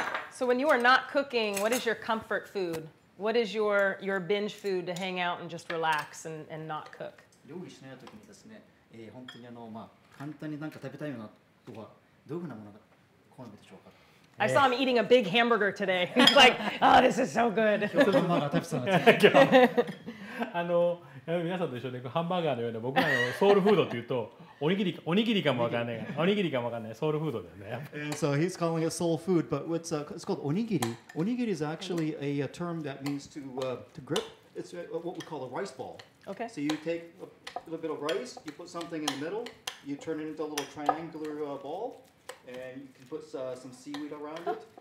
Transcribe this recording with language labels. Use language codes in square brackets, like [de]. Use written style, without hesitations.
[en] So when you are not cooking, what is your comfort food? What is your binge food to hang out and just relax and not cook? [ja] 料理しないときにですね、本当にあの、まあ、簡単になんか食べたいようなとか、どういうふうなものが好みでしょうか? [en] I saw him eating a big hamburger today. He's like, oh, this is so good. [ja] あの、皆さんと一緒でハンバーガーのような僕らのソウルフードというと、おにぎりかもわかんない。おにぎりかもわかんない。ソウルフードだよね。 [en] So he's calling it soul food, but it's called onigiri. Onigiri is actually a term that means to grip. It's what we call a rice ball. Okay. So you take a little bit of rice, you put something in the middle, you turn it into a little triangular, ball, and you can put, some seaweed around it.